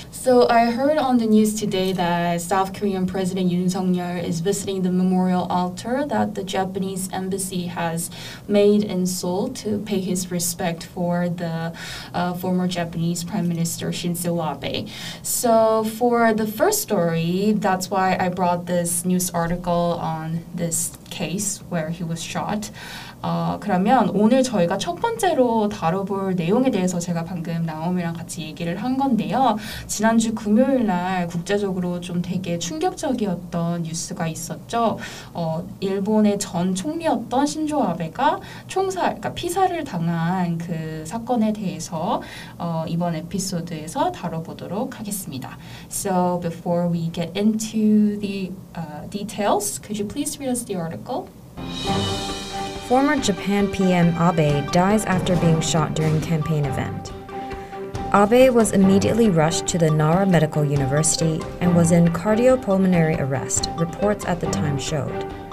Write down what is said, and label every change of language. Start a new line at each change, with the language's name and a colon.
English: So I heard on the news today that South Korean President Yoon Suk-yeol is visiting the memorial altar that the Japanese embassy has made in Seoul to pay his respect for the former Japanese Prime Minister Shinzo Abe. So for the first story, that's why I brought this news article on this case where he was shot.
Korean: 그러면 오늘 저희가 첫 번째로 다뤄볼 내용에 대해서 제가 방금 나오미랑 같이 얘기를 한 건데요. 지난주 금요일 날 국제적으로 좀 되게 충격적이었던 뉴스가 있었죠. 일본의 전 총리였던 신조 아베가 총살, 그러니까 피살을 당한 그 사건에 대해서 이번 에피소드에서 다뤄보도록 하겠습니다.
English: So before we get into the details, could you please read us the article? Former Japan PM Abe dies after being shot during campaign event. Abe was immediately rushed to the Nara Medical University and was in cardiopulmonary arrest, reports at the time showed.